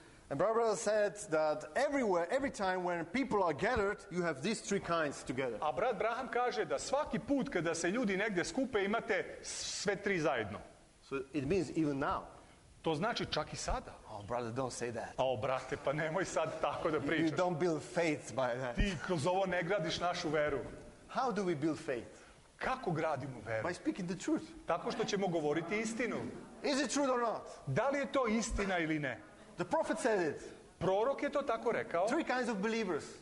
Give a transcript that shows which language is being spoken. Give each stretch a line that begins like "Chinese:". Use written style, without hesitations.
English: And Barbara said that everywhere, every time when people are gathered, you have these three kinds together.
Serbian: A brat Braham kaže da svaki put kada se ljudi negde skupe, imate sve tri zajedno.
English: So it means even now.
Serbian: To znači čak i sada.
English: Oh, brother, don't say that.
Serbian: A brate, pa nemoj sad tako da pričaš.
English: You don't build faith by that.
Serbian: Ti kroz ovo ne gradiš našu veru.
English: How do we build faith?
Serbian: Kako gradimo veru?
English: By speaking the truth.
Serbian: Tako što ćemo govoriti istinu.
English: Is it true or not?
Serbian: Da li je to istina ili ne?
English: The prophet said it.
Serbian: Prorok je to tako rekao.
English: Three kinds of believers.